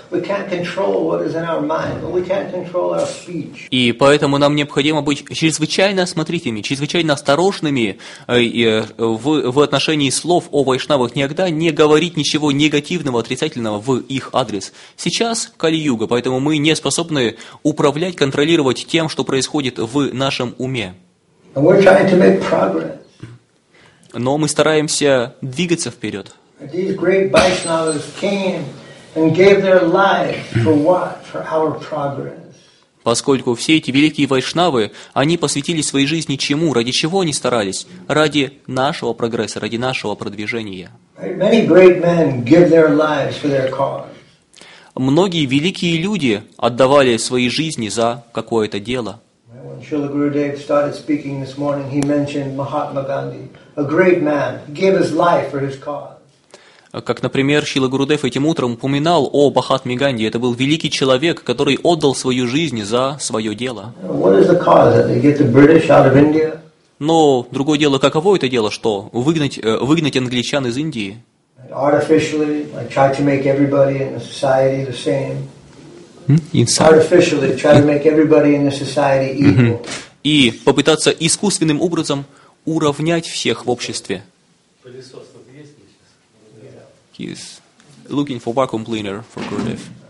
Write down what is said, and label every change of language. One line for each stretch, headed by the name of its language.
English: We can't control what is in our mind, but we can't control our speech.
Russian: И поэтому нам необходимо быть чрезвычайно осмотрительными, чрезвычайно осторожными в отношении слов о вайшнавах, никогда не говорить ничего негативного, отрицательного в их адрес. Сейчас кали-юга, поэтому мы не способны управлять, контролировать тем, что происходит в нашем уме.
English: And we're trying to make progress.
Russian: Но мы стараемся двигаться вперед.
English: These great Vaishnavas came and gave their lives for what? For our progress.
Russian: Поскольку все эти великие вайшнавы, они посвятили свои жизни чему? Ради чего они старались? Ради нашего прогресса, ради нашего продвижения.
English: Many great men give their lives for their cause.
Russian: Многие великие люди отдавали свои жизни за какое-то дело.
English: When Srila Gurudev started speaking this morning, he mentioned Mahatma Gandhi, a great man, gave his life for his cause.
Russian: Как, например, Шрила Гурудев этим утром упоминал о Махатме Ганди. Это был великий человек, который отдал свою жизнь за свое дело.
English: What is the cause? That they get the British out of India?
Russian: Но другое дело, каково это дело, что выгнать англичан из Индии?
English: Artificially, like try to make everybody in the society the same. Artificially, try to make everybody in the society equal.
Russian: И попытаться искусственным образом уравнять всех в обществе.
English: He's looking for vacuum cleaner for Gurudev.